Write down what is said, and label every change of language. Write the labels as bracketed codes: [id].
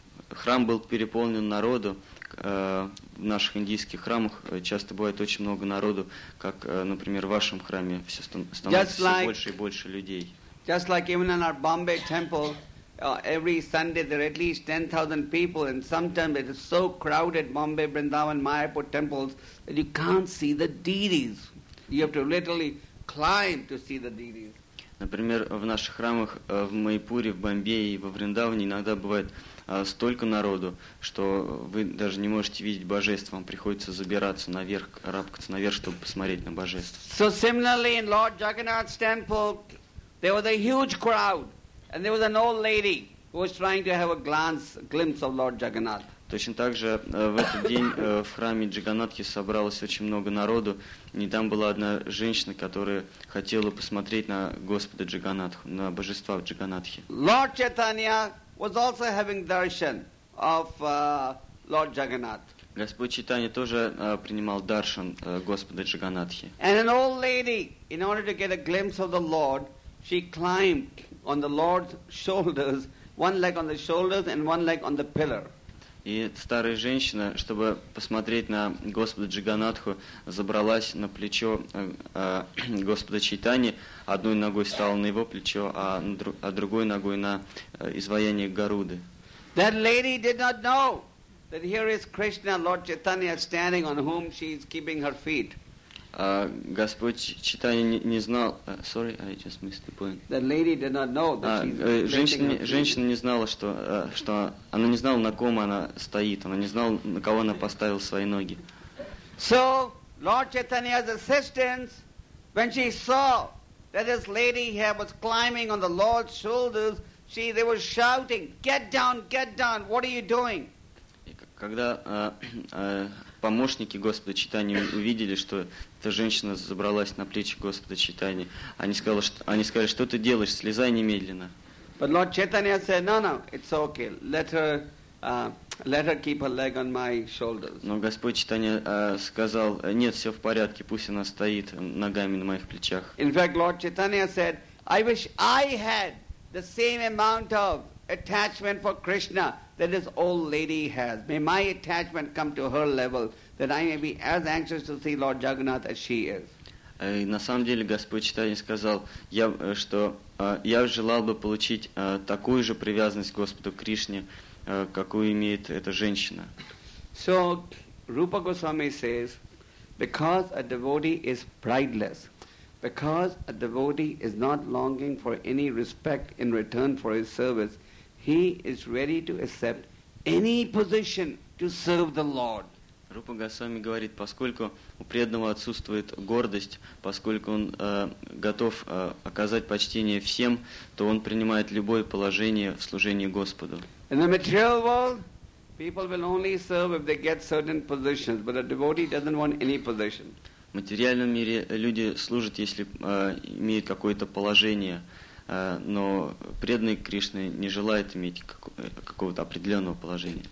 [ru] Храм был переполнен народу. В наших индийских храмах часто бывает очень много народу, как, например, в вашем храме все становится все больше и больше людей. [en] Just like even in our Bombay temple, every Sunday there are at least 10,000 people and sometimes it is so crowded, Bombay, Vrindavan, Mayapur temples, that you can't see the deities. You have to literally climb to see the deities. [ru] Например, в наших храмах в Майпуре, в Бомбее и во Вриндаване иногда бывает столько народу, что вы даже не можете видеть божеств, вам приходится забираться наверх, карабкаться наверх, чтобы посмотреть на божество. [en] So similarly in Lord Jagannath's temple, there was a huge crowd. And there was an old lady who was trying to have a glimpse of Lord Jagannath. [ru] Точно так же в этот день в храме Джаганатхи собралось очень много народу. И там была одна женщина, которая хотела посмотреть на Господа Джаганатху, на божества Джаганатхи. [en] Lord Chaitanya was also having darshan of Lord Jagannath. [ru] Господь Чайтанья тоже принимал даршан Господа Джаганатхи. [en] And an old lady, in order to get a glimpse of the Lord, she climbed on the Lord's shoulders, one leg on the shoulders and one leg on the pillar. [ru] И старая женщина, чтобы посмотреть на Господа Джаганатху, забралась на плечо Господа Чайтаньи, одной ногой стала на его плечо, а другой ногой на изваяние Гаруды. [en] That lady did not know that here is Krishna, Lord Chaitanya, standing on whom she is keeping her feet. [ru] Господь Чайтанья не знал. [en] Sorry, I just missed the point. That lady did not know that [ru] женщина не знала, что она не знала, на ком она стоит, она не знала, на кого она поставила свои ноги. [en] So Lord Chaitanya's assistants, when she saw that this lady here was climbing on the Lord's shoulders, they were shouting, get down, what are you doing? [ru] Когда помощники Господа Чайтаньи увидели, что эта женщина забралась на плечи Господа Чайтаньи, они сказали, что ты делаешь, слезай немедленно. [en] But Lord Chaitanya said, no, no, it's okay, let her keep her leg on my shoulders. [ru] Но Господь Чайтанья сказал, нет, все в порядке, пусть она стоит ногами на моих плечах. [en] In fact, Lord Chaitanya said, I wish I had the same amount of attachment for Krishna that this old lady has. May my attachment come to her level, that I may be as anxious to see Lord Jagannath as she is. [ru] На самом деле Господь Чайтанья сказал, что я желал бы получить такую же привязанность к Господу Кришне, какую имеет эта женщина. [en] So Rupa Goswami says, because a devotee is prideless, because a devotee is not longing for any respect in return for his service, he is ready to accept any position to serve the Lord. [ru] Рупа Госвами говорит, поскольку у преданного отсутствует гордость, поскольку он готов оказать почтение всем, то он принимает любое положение в служении Господу. [en] In the material world, People will only serve if they get certain positions, but a devotee doesn't want any position. [ru] В материальном мире люди служат, если имеют какое-то положение, но преданный Кришна не желает иметь какого-то определенного положения,